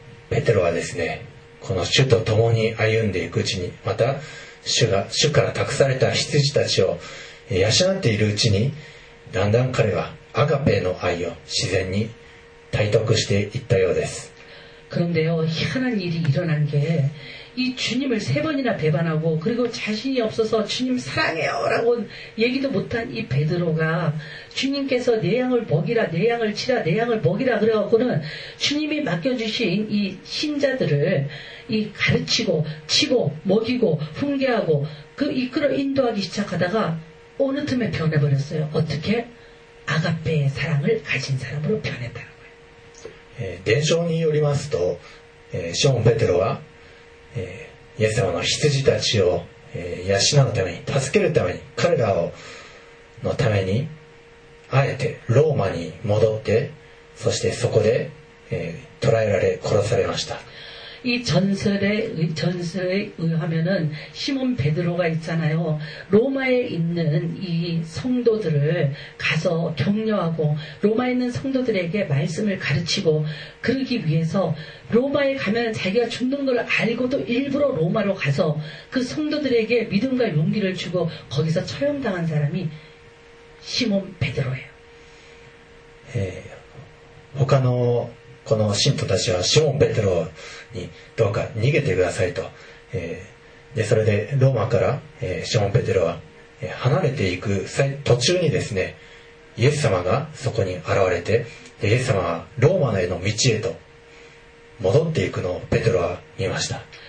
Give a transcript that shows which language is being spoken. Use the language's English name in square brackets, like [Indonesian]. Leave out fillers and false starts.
[Japanese] ペテロはですね、この主と共に歩んでいくうちに、また主から託された羊たちを養っているうちに、だんだん彼はアガペの愛を自然に体得していったようです。 [Korean] 그런데요희한한일이일어난게 이 주님을 세 번이나 배반하고 그리고 자신이 없어서 주님 사랑해요 라고 얘기도 못한 이 베드로가 주님께서 내 양을 먹이라 내 양을 치라 내 양을 먹이라 그래갖고는 주님이 맡겨주신 이 신자들을 이 가르치고 치고 먹이고 훈계하고 그 이끌어 인도하기 시작하다가 어느 틈에 변해버렸어요. 어떻게? 아가페의 사랑을 가진 사람으로 변했다는 거예요. [Japanese] 伝承によりますと、ショーン・ペテロは、イエス様の羊たちを、養うために、助けるために、彼らをのために、あえてローマに戻って、そしてそこで、捕らえられ、殺されました。 [Korean] 이 전설에 의하면은 시몬 베드로가 있잖아요. 로마에 있는 이 성도들을 가서 격려하고 로마에 있는 성도들에게 말씀을 가르치고 그러기 위해서 로마에 가면 자기가 죽는 걸 알고도 일부러 로마로 가서 그 성도들에게 믿음과 용기를 주고 거기서 처형당한 사람이 시몬 베드로예요. [Japanese] 他のこの信徒たちはシモン・ペテロにどうか逃げてくださいと、でそれでローマから、シモン・ペテロは離れていく途中にですねイエス様がそこに現れてでイエス様はローマへの道へと戻っていくのをペテロは見ました。